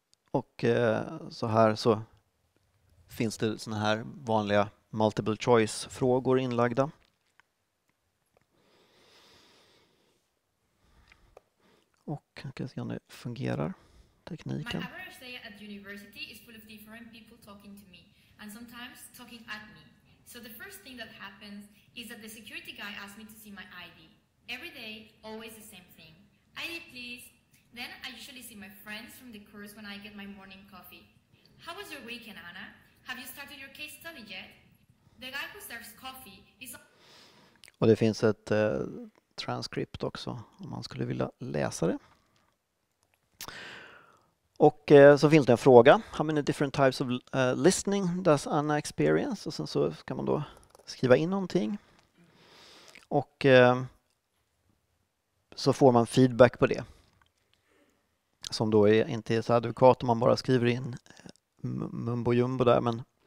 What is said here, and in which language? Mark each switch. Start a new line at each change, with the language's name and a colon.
Swedish: Och så här så finns det såna här vanliga multiple choice frågor inlagda. Och jag kan se om det fungerar tekniken.
English: My average day at university is full of different people talking to me and sometimes talking at me. So the first thing that happens is that the security guy asks me to see my ID. Every day, always the same thing. ID please. Then I usually see my friends from the course when I get my morning coffee. How was your weekend, Anna? Have you started your case study yet? The guy who serves coffee is...
Swedish: Och det finns ett transcript också om man skulle vilja läsa det. Och så finns det en fråga.
English: How many different types of listening does Anna experience?
Swedish: Och sen så kan man då skriva in någonting. Och så får man feedback på det. Som då är inte är så adekvat om man bara skriver in mumbo jumbo där. Men...